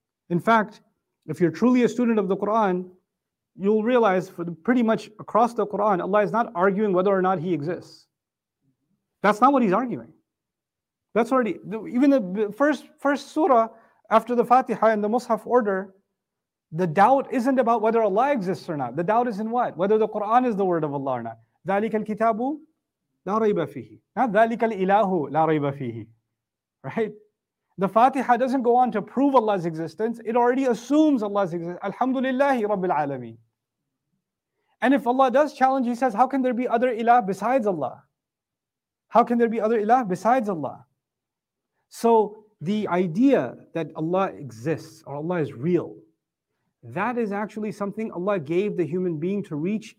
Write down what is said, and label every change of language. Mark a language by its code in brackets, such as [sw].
[en] In fact, if you're truly a student of the Qur'an, you'll realize pretty much across the Qur'an, Allah is not arguing whether or not He exists. That's not what He's arguing. That's already, even the first surah after the Fatiha and the Mus'haf order, the doubt isn't about whether Allah exists or not. The doubt is in what? Whether the Qur'an is the word of Allah or not. [ar] ذَلِكَ الْكِتَابُ لَا رَيْبَ فِيهِ. [en] Not [ar] ذَلِكَ الْإِلَهُ لَا رَيْبَ فِيهِ. [en] Right? The Fatiha doesn't go on to prove Allah's existence. It already assumes Allah's existence. [ar] Alhamdulillahi Rabbil Alameen. [en] And if Allah does challenge, He says, how can there be other ilah besides Allah? How can there be other ilah besides Allah? So the idea that Allah exists or Allah is real, that is actually something Allah gave the human being to reach.